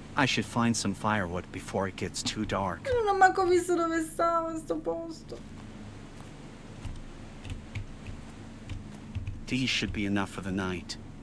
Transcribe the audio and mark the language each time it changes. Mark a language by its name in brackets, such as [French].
[English] I should find some firewood before it gets too dark. [Italian] Non ho manco visto dove stava sto posto. [English] These should be enough for the night.